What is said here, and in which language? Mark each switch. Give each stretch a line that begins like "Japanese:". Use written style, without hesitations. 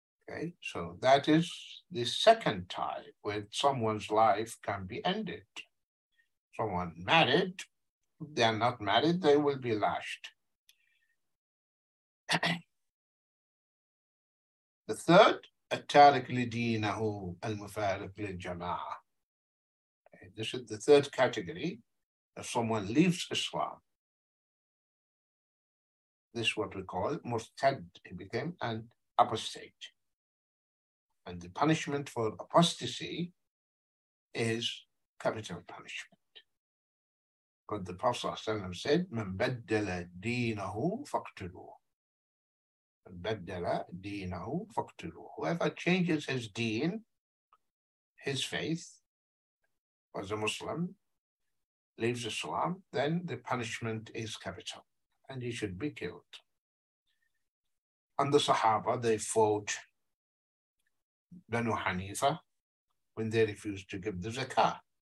English: Okay, so that is the second time when someone's life can be ended. Someone married, if they are not married, they will be lashed.
Arabic: The third, التارك لدينه المفارق للجماعة.
English: This is the third category. If someone leaves Islam, this is what we call murtad. He became an apostate. And the punishment for apostasy is capital punishment. But the Prophet ﷺ said, من بدل دينه فاقتلوه.
Arabic: بَدَّلَ دِينَهُ فَقْتُلُهُ.
English: Whoever changes his deen, his faith, as a Muslim, leaves Islam, then the punishment is capital, and he should be killed. And the Sahaba, they fought Banu Hanifa when they refused to give the zakah.